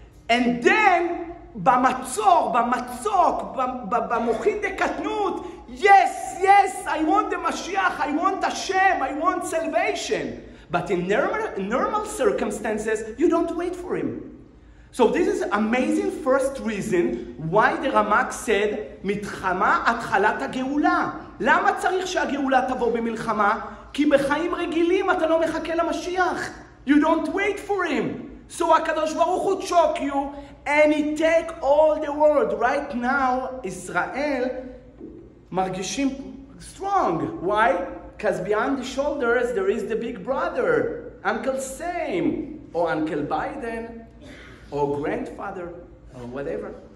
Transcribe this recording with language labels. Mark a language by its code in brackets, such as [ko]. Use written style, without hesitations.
[en] And then, [he] במצור, במצוק, במוחין דקטנות, [en] yes, yes, I want the Mashiach, I want Hashem, I want salvation. But in normal circumstances, you don't wait for him. So this is amazing first reason why the Ramak said, [he] מתחמה התחלת הגאולה. למה צריך שהגאולה תבוא במלחמה? כי בחיים רגילים אתה לא מחכה למשיח. [en] You don't wait for him. So הקדוש ברוך הוא choke you and he take all the world. Right now, Israel [he] מרגישים [en] strong. Why? Because behind the shoulders there is the big brother, Uncle Sam, or Uncle Biden, or grandfather, or whatever.